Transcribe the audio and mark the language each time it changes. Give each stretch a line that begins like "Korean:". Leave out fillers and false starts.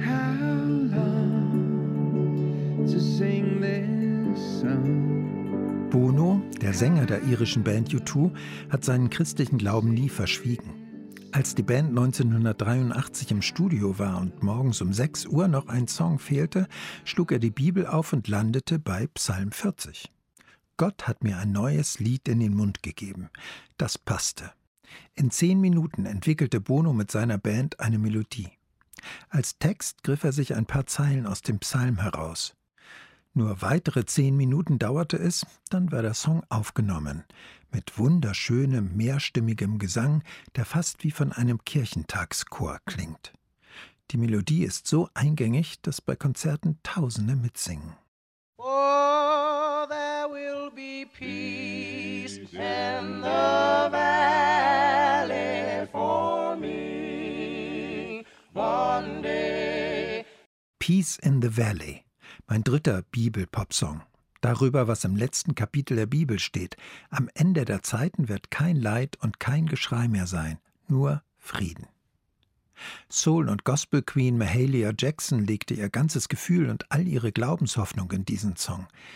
English: How long to sing this song?
German: Bono, der Sänger der irischen Band U2, hat seinen christlichen Glauben nie verschwiegen. Als die Band 1983 im Studio war und morgens um 6 Uhr noch ein Song fehlte, schlug er die Bibel auf und landete bei Psalm 40. Gott hat mir ein neues Lied in den Mund gegeben. Das passte. In 10 Minuten entwickelte Bono mit seiner Band eine Melodie. Als Text griff er sich ein paar Zeilen aus dem Psalm heraus. Nur weitere 10 Minuten dauerte es, dann war der Song aufgenommen. Mit wunderschönem, mehrstimmigem Gesang, der fast wie von einem Kirchentagschor klingt. Die Melodie ist so eingängig, dass bei Konzerten Tausende mitsingen.
English: Oh, there will be peace in the valley for me one day.
German: Peace in the Valley. Mein dritter Bibel-Popsong. Darüber, was im letzten Kapitel der Bibel steht. Am Ende der Zeiten wird kein Leid und kein Geschrei mehr sein, nur Frieden. Soul- und Gospel-Queen Mahalia Jackson legte ihr ganzes Gefühl und all ihre Glaubenshoffnung in diesen Song.